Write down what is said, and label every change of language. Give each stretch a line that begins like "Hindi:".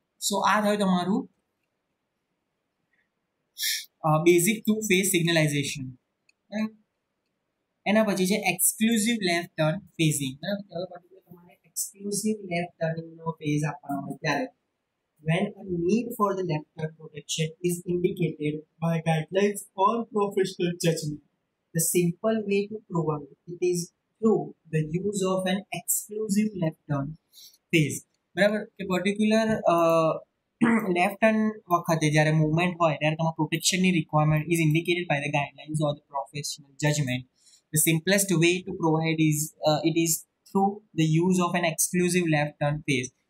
Gujarati: સો આ થયું તમારું બેઝિક ટુ ફેઝ સિગ્નલાઇઝેશન. એના પછી છે એક્સક્લુઝિવ લેફ્ટ ટર્ન ફેઝિંગ. બરાબર. તમારે એક્સક્લુઝિવ લેફ્ટ ટર્નિંગનો ફેઝ આપવાનો હોય ત્યારે
English: when a need for the left turn protection is indicated by guidelines or professional judgment, the simple way to prove it is through the use of an exclusive left turn phase.
Gujarati: બરાબર. કે particular left turn વખતે જ્યારે movement હોય ત્યારે તમારા પ્રોટેક્શનની requirement
English: Is indicated by the guidelines or the professional judgement. The simplest way to provide it is through the use of an exclusive left turn phase.